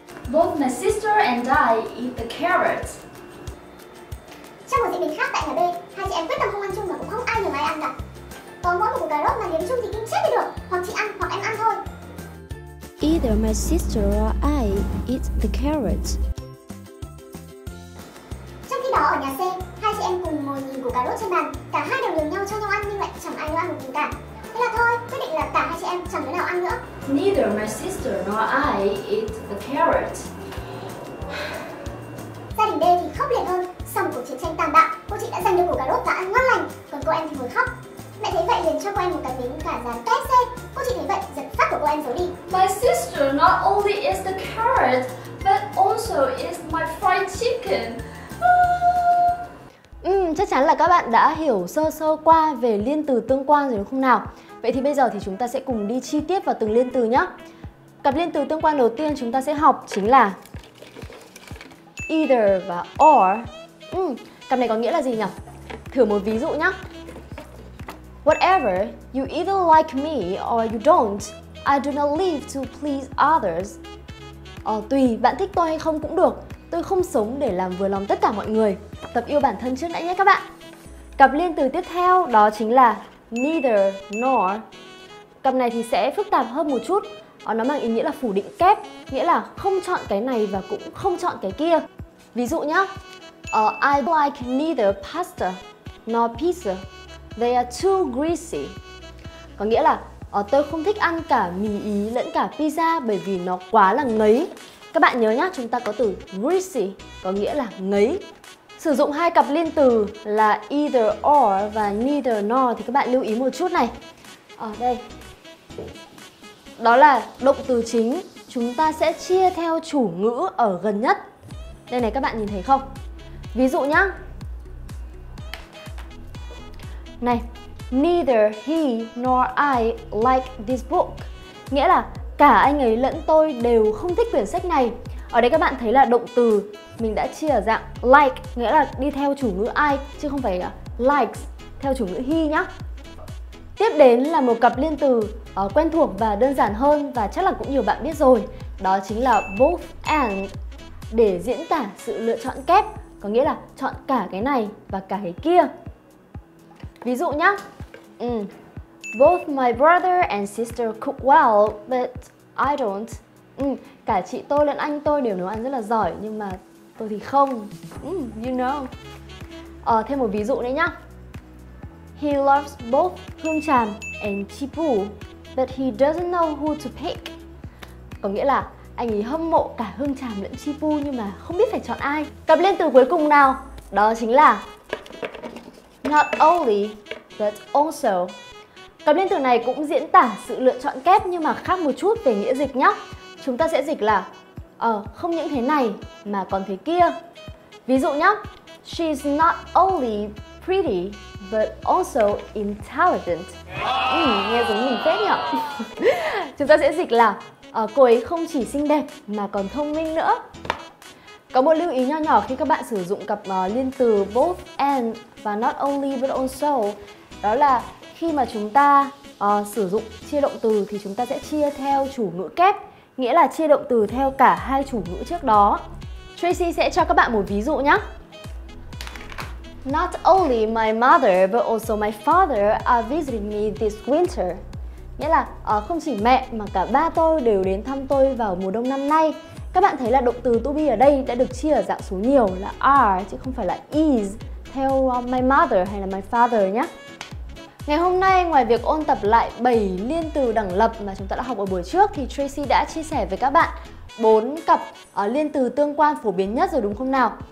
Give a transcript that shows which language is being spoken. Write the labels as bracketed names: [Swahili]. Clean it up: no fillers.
[English] Both my sister and I eat the carrots. [Vietnamese] Trong một diễn biến khác tại nhà B, hai chị em quyết tâm không ăn chung và cũng không ai nhường ai ăn cả. Có mỗi một củ cà rốt mà liếm chung thì kinh chết đi được, hoặc chị ăn hoặc em ăn thôi. [English] Either my sister or I eat the carrots. [Vietnamese] Trong khi đó ở nhà C, hai chị em cùng ngồi nhìn củ cà rốt trên bàn, cả hai đều nhường nhau cho nhau ăn nhưng lại chẳng ai nhường ăn một củ cả. Thế là thôi, quyết định là cả hai chị em chẳng đứa nào ăn nữa. [English] Neither my sister nor I eat the carrot. [Vietnamese] Gia đình B thì khóc liệt hơn. Sau một cuộc chiến tranh tàn bạo, cô chị đã giành được củ cà rốt và ăn ngon lành. Còn cô em thì ngồi khóc. Mẹ thấy vậy liền cho cô em một cái bánh cả dán két xe. Cô chị thấy vậy giật phát của cô em giấu đi. [English] My sister not only eats the carrot, but also eats my fried chicken. [Vietnamese] Chắc chắn là các bạn đã hiểu sơ sơ qua về liên từ tương quan rồi đúng không nào? Vậy thì bây giờ thì chúng ta sẽ cùng đi chi tiết vào từng liên từ nhé. Cặp liên từ tương quan đầu tiên chúng ta sẽ học chính là either và or. Cặp này có nghĩa là gì nhỉ? Thử một ví dụ nhé. [English] Whatever, you either like me or you don't. I do not live to please others. [Vietnamese] Tùy, bạn thích tôi hay không cũng được. Tôi không sống để làm vừa lòng tất cả mọi người. Tập yêu bản thân trước đã nhé các bạn. Cặp liên từ tiếp theo đó chính là neither nor. Cặp này thì sẽ phức tạp hơn một chút. Nó mang ý nghĩa là phủ định kép, nghĩa là không chọn cái này và cũng không chọn cái kia. Ví dụ nhé, [English] I like neither pasta nor pizza. They are too greasy. [Vietnamese] Có nghĩa là tôi không thích ăn cả mì Ý lẫn cả pizza bởi vì nó quá là ngấy. Các bạn nhớ nhé, chúng ta có từ greasy có nghĩa là ngấy. Sử dụng hai cặp liên từ là either or và neither nor thì các bạn lưu ý một chút này. Ở đây, đó là động từ chính, chúng ta sẽ chia theo chủ ngữ ở gần nhất. Đây này các bạn nhìn thấy không? Ví dụ nhá. [English] Này, neither he nor I like this book. [Vietnamese] Nghĩa là cả anh ấy lẫn tôi đều không thích quyển sách này. Ở đây các bạn thấy là động từ mình đã chia ở dạng like, nghĩa là đi theo chủ ngữ I, chứ không phải likes theo chủ ngữ he nhá. Tiếp đến là một cặp liên từ quen thuộc và đơn giản hơn và chắc là cũng nhiều bạn biết rồi. Đó chính là both and. Để diễn tả sự lựa chọn kép, có nghĩa là chọn cả cái này và cả cái kia. Ví dụ nhá. [English] Both my brother and sister cook well, but I don't. [Vietnamese] Cả chị tôi lẫn anh tôi đều nấu ăn rất là giỏi, nhưng mà tôi thì không. [English] You know. [Vietnamese] Thêm một ví dụ nữa nhá. [English] He loves both Hương Tràm and Chipu, but he doesn't know who to pick. [Vietnamese] Có nghĩa là anh ấy hâm mộ cả Hương Tràm lẫn Chipu nhưng mà không biết phải chọn ai. Cặp liên từ cuối cùng nào? Đó chính là not only, but also. Cặp liên từ này cũng diễn tả sự lựa chọn kép nhưng mà khác một chút về nghĩa dịch nhá. Chúng ta sẽ dịch là không những thế này mà còn thế kia. Ví dụ nhá, [English] she's not only pretty, but also intelligent. [Vietnamese] Nghe giống mình phết nhở. Chúng ta sẽ dịch là cô ấy không chỉ xinh đẹp mà còn thông minh nữa. Có một lưu ý nho nhỏ khi các bạn sử dụng cặp liên từ both and và not only but also, đó là khi mà chúng ta sử dụng chia động từ thì chúng ta sẽ chia theo chủ ngữ kép, nghĩa là chia động từ theo cả hai chủ ngữ trước đó. Tracy sẽ cho các bạn một ví dụ nhé. [English] Not only my mother but also my father are visiting me this winter. [Vietnamese] Nghĩa là không chỉ mẹ mà cả ba tôi đều đến thăm tôi vào mùa đông năm nay. Các bạn thấy là động từ to be ở đây đã được chia ở dạng số nhiều là are chứ không phải là is theo my mother hay là my father nhé. Ngày hôm nay, ngoài việc ôn tập lại 7 liên từ đẳng lập mà chúng ta đã học ở buổi trước, thì Tracy đã chia sẻ với các bạn 4 cặp liên từ tương quan phổ biến nhất rồi đúng không nào?